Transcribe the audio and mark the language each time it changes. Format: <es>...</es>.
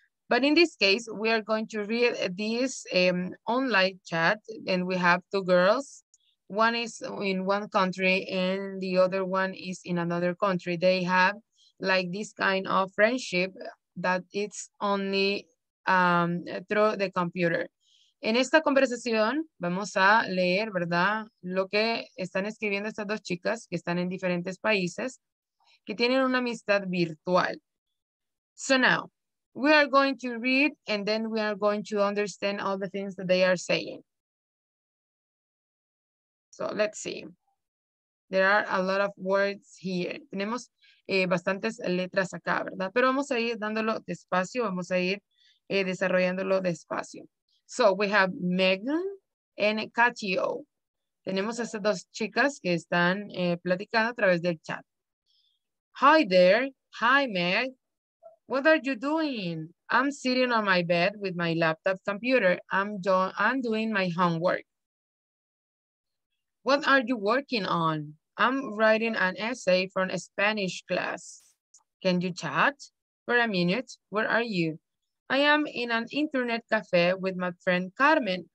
<en>But in this case, we are going to read this online chat, and we have two girls. One is in one country and the other one is in another country. They have like this kind of friendship that it's only through the computer.</en> <es>En esta conversación vamos a leer, ¿verdad?, lo que están escribiendo estas dos chicas que están en diferentes países, que tienen una amistad virtual.</es> <en>So now, we are going to read and then we are going to understand all the things that they are saying. So let's see. There are a lot of words here.</en> <es>Tenemos bastantes letras acá, ¿verdad? Pero vamos a ir dándolo despacio, vamos a ir desarrollándolo despacio.</es> <en>So we have Megan and Katio.</en> <es>Tenemos a estas dos chicas que están platicando a través del chat.</es> <en>Hi there. Hi, Meg. What are you doing? I'm sitting on my bed with my laptop computer. I'm doing my homework. What are you working on? I'm writing an essay for a Spanish class. Can you chat for a minute? Where are you? I am in an internet cafe with my friend Carmen.</en>